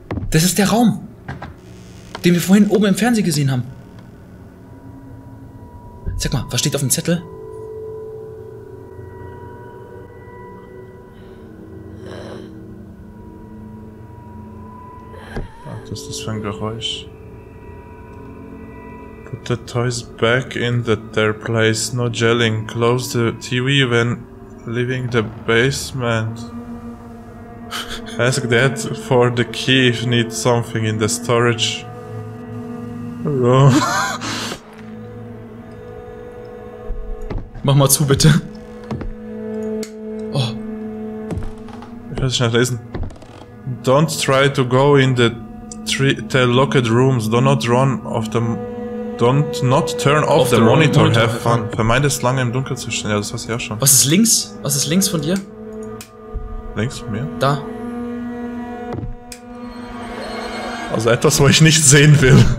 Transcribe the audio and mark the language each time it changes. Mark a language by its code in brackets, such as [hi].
[de] Das ist der Raum, den wir vorhin oben im Fernsehen gesehen haben. Sag mal, was steht auf dem Zettel? Was ist das für ein Geräusch? [en] Put the toys back in their place. No gelling. Close the TV when leaving the basement. Ask Dad for the key if you need something in the storage room. [de] Mach mal zu, bitte. Oh. Ich werde es schnell lesen. [en] Don't try to go in the locked rooms. Don't turn off the monitor. Have fun. [de] Vermeide es lange im Dunkeln zu stehen. Ja, das weiß ich auch schon. Was ist links? Was ist links von dir? Links von mir? Da. Also etwas, wo ich nicht sehen will.